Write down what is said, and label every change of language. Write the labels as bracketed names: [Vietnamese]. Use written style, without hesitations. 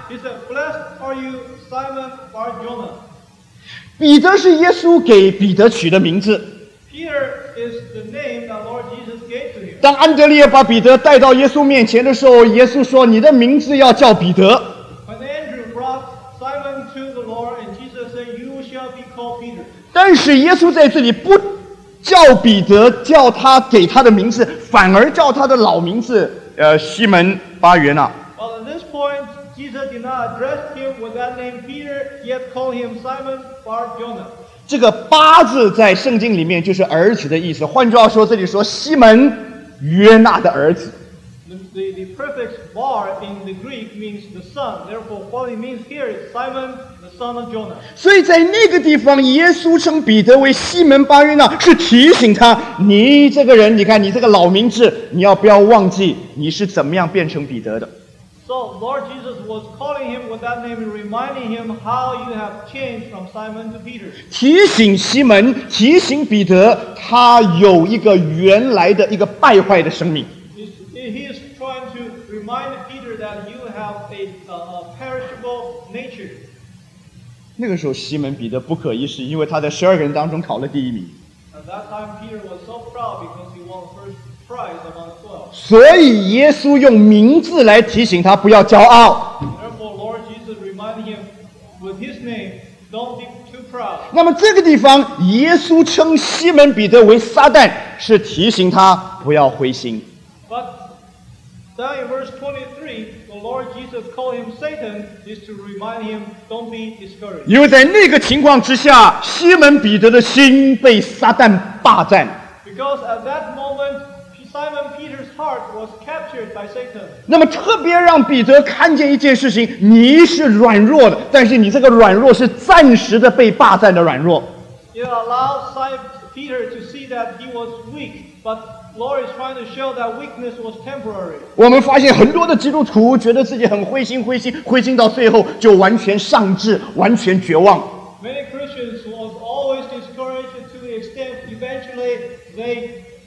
[English] He said, "Blessed are you, Simon Bar-Jonah." [Chinese] 彼得是耶稣给彼得取的名字。 [English] Peter is the name that Lord Jesus gave to him. [Chinese] 当安德烈把彼得带到耶稣面前的时候，耶稣说：“你的名字要叫彼得。” [English] When Andrew brought Simon to the Lord, and Jesus said, "You shall be called Peter." [Chinese] 但是耶稣在这里不叫彼得，叫他给他的名字，反而叫他的老名字，西门巴约纳。 [English] Well, at this point, Jesus did not address him with that name, Peter, yet called him Simon Bar-Jonah. [Chinese] 这个巴字在圣经里面就是儿子的意思，换句话说，这里说西门约纳的儿子。 [English] The prefix bar in the Greek means the son. Therefore, what it means here is Simon, the son of Jonah. [Chinese] 所以在那个地方，耶稣称彼得为西门巴约纳，是提醒他：你这个人，你看你这个老名字，你要不要忘记你是怎么样变成彼得的 [English] ？So So Lord Jesus was calling him with that name, reminding him how you have changed from Simon to Peter. [Chinese] 提醒西门，提醒彼得，他有一个原来的一个败坏的生命。 [English] He is trying to remind Peter that you have a perishable nature. [Chinese] 那个时候，西门彼得不可一世，因为他在十二个人当中考了第一名。 [English] At that time, Peter was so proud because he won first. [Chinese] 所以耶稣用名字来提醒他不要骄傲。 [English] Therefore, Lord Jesus reminded him with his name, don't be too proud. [Chinese] 那么这个地方，耶稣称西门彼得为撒旦，是提醒他不要灰心。 [English] But then in verse 23, the Lord Jesus called him Satan is to remind him, don't be discouraged. [Chinese] 因为在那个情况之下，西门彼得的心被撒旦霸占。 [English] Because at that moment,Simon Peter's heart was captured by Satan. [Chinese] 那么特别让彼得看见一件事情，你是软弱的，但是你这个软弱是暂时的被霸占的软弱。 [English] It allowed Simon Peter to see that he was weak, but Lord is trying to show that weakness was temporary. [Chinese] 我们发现很多的基督徒觉得自己很灰心，灰心，灰心到最后就完全丧志，完全绝望。 [English] Many Christians was always discouraged to the extent eventually they.